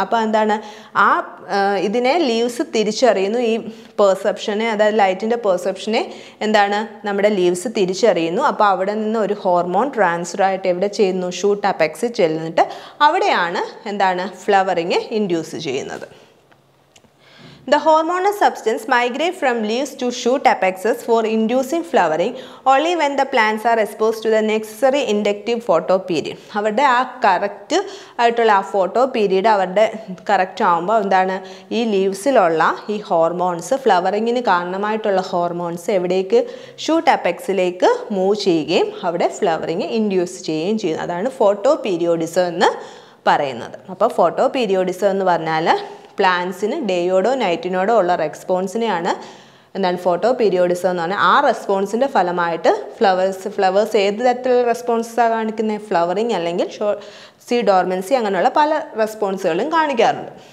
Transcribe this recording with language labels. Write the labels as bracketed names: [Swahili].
[Malayalam] അപ്പോൾ എന്താണ് ആ ഇതിനെ ലീവ്സ് തിരിച്ചറിയുന്നു, ഈ പെർസെപ്ഷനെ അതായത് ലൈറ്റിൻ്റെ പെർസെപ്ഷനെ എന്താണ് നമ്മുടെ ലീവ്സ് തിരിച്ചറിയുന്നു. അപ്പോൾ അവിടെ നിന്ന് ഒരു ഹോർമോൺ ട്രാൻസ്ഫർ ആയിട്ട് എവിടെ ചെയ്യുന്നു, ഷൂട്ട് അപെക്സിൽ ചെല്ലുന്നിട്ട് അവിടെയാണ് എന്താണ് ഫ്ലവറിങ് ഇൻഡ്യൂസ് ചെയ്യുന്നത്. [English] The hormonal substance migrate from leaves to shoot apexes for inducing flowering only when the plants are exposed to the necessary inductive photo period. [Malayalam] അവരുടെ ആ കറക്റ്റ് ആയിട്ടുള്ള ആ ഫോട്ടോ പീരീഡ് അവരുടെ കറക്റ്റ് ആകുമ്പോൾ എന്താണ് ഈ ലീവ്സിലുള്ള ഈ ഹോർമോൺസ് ഫ്ലവറിങ്ങിന് കാരണമായിട്ടുള്ള ഹോർമോൺസ് എവിടേക്ക് ഷൂട്ട് അപെക്സിലേക്ക് മൂവ് ചെയ്യുകയും അവിടെ ഫ്ലവറിങ് ഇൻഡ്യൂസ് ചെയ്യുകയും ചെയ്യുന്നു. അതാണ് ഫോട്ടോ പീരിയോഡിസം എന്ന് പറയുന്നത്. അപ്പോൾ ഫോട്ടോ പീരിയോഡിസം എന്ന് പറഞ്ഞാൽ പ്ലാന്റ്സിന് ഡേയോടോ നൈറ്റിനോടോ ഉള്ള റെസ്പോൺസിനെയാണ് എന്താണ് ഫോട്ടോ പീരിയോഡിസം എന്ന് പറഞ്ഞാൽ ആ റെസ്പോൺസിൻ്റെ ഫലമായിട്ട് ഫ്ലവേഴ്സ് ഫ്ലവേഴ്സ് ഏത് തരത്തിലുള്ള റെസ്പോൺസാണ് കാണിക്കുന്നത്, ഫ്ലവറിങ് അല്ലെങ്കിൽ സീ ഡോർമൻസി അങ്ങനെയുള്ള പല റെസ്പോൺസുകളും കാണിക്കാറുണ്ട്.